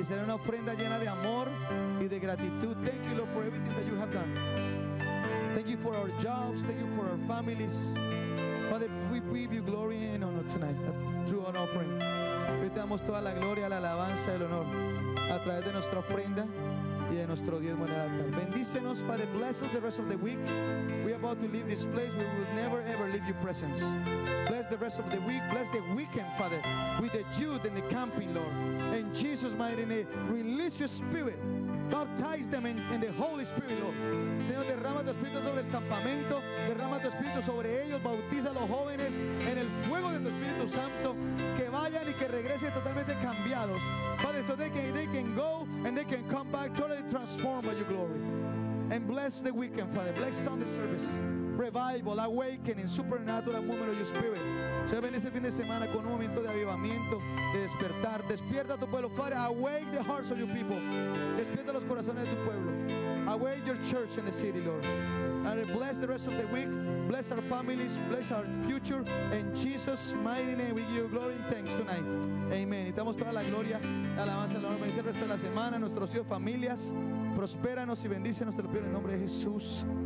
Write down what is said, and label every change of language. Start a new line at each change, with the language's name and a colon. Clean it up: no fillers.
Spanish: Es una ofrenda llena de amor y de gratitud.
English: Thank you, Lord, for everything that you have done. Thank you for our jobs. Thank you for our families. Father, we give you glory and honor tonight through an offering.
Spanish: Hoy te damos toda la gloria, la alabanza, el honor a través de nuestra ofrenda y de nuestro diezmo en el altar. Bendícenos,
English: Father, bless us the rest of the week. We are about to leave this place. We will never ever leave your presence. Bless the rest of the week. Bless the weekend, Father, with the youth and the camping, Lord. In Jesus' mighty name, release your spirit. Baptize them in the Holy Spirit, Lord.
Spanish: Señor, derrama tu espíritu sobre el campamento. Derrama tu espíritu sobre ellos. Bautiza a los jóvenes en el fuego de tu Espíritu Santo. Que vayan y que regresen totalmente cambiados.
English: Father, so they can go and they can come back totally transformed by your glory. And bless the weekend, Father. Bless Sunday service. Revival, awakening, supernatural movement of your spirit.
Spanish: Se ven ese fin de semana con un momento de avivamiento, de despertar. Despierta tu pueblo, Father.
English: Awake the hearts of your people.
Spanish: Despierta los corazones de tu pueblo.
English: Awake your church in the city, Lord. And bless the rest of the week. Bless our families. Bless our future. In Jesus' mighty name, we give you glory and thanks tonight.
Spanish: Amen. Y damos toda la gloria, alabanza, la honra. Y el resto de la semana, nuestros hijos, familias. Prospéranos y bendícenos, te lo pido en el nombre de Jesús.